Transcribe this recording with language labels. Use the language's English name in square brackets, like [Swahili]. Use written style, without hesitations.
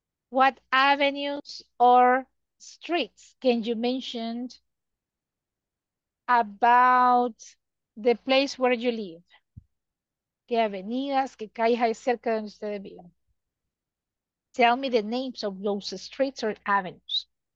[English] What avenues or streets can you mention about the place where you live? [Spanish] ¿Qué avenidas, qué calles hay cerca donde ustedes viven? [English] Tell me the names of those streets or avenues.